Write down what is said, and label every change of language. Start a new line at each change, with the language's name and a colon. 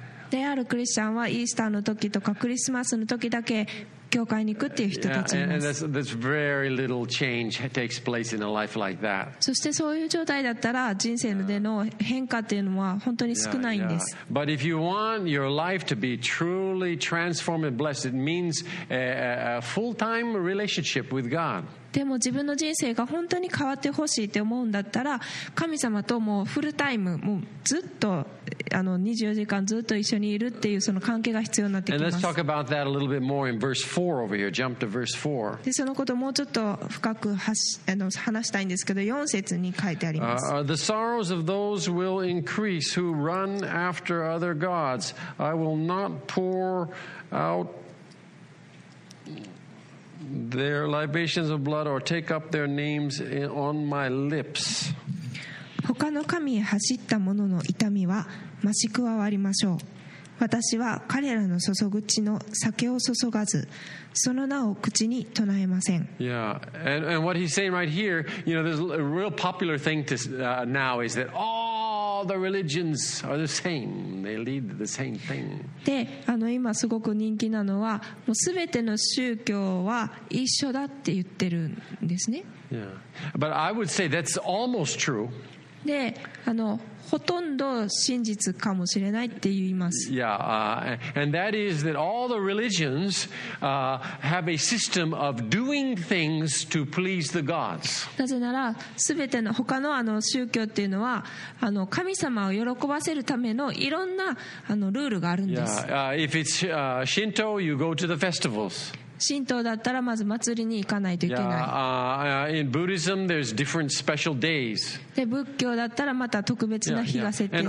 Japanese: であるクリスチャンはイースターの時とかクリスマスの時だけ教会に行くっていう人たちです。
English: Yeah, and that's very little change takes place in a life like that.
Japanese: そしてそういう状態だったら人生での変化っていうのは本当に少ないんです。
English: But if you want your life to be truly transformed and blessed, it means a full-time relationship with God.
Japanese: でも自分の人生が本当に変わってほしいって思うんだったら神様ともうフルタイムもうずっと24時間ずっと一緒にいるっていうその関係が必要になってきます。
English: And let's talk about that a little bit more in verse 4 over here. Jump to verse 4.
Japanese: でそのことをもうちょっと深く話したいんですけど4節に書いてあります。
English: The sorrows of those will increase who run after other gods. I will not pour outTheir libations of blood or take up their names on my lips.
Japanese: 他の神へ走った者の痛みは増し加わりましょう。私は彼らの注ぐ血の酒を注がず、その名を口に唱えません。
English: Yeah, and what he's saying right here, you know, there's a real popular thing to, now is that all the religions are the same. They lead the same thing.
Japanese: で、今すごく人気なのは、もうすべての宗教は一緒だって言ってるんですね。
English: Yeah, but I would say that's almost true.
Japanese: で、ほとんど真実かもしれないって言います。
English: Yeah, and that is that all the religions have a system of doing things to please the gods.
Japanese: なぜなら、すべての他の宗教っていうのは神様を喜ばせるためのいろんなルールがあるんです。
English: Yeah, if it's Shinto, you go to the festivals.
Japanese: 神道だったらまず祭りに行かないといけない。
English: In Buddhism, there's different special days.
Japanese: で仏教だったらまた特別な日が設定され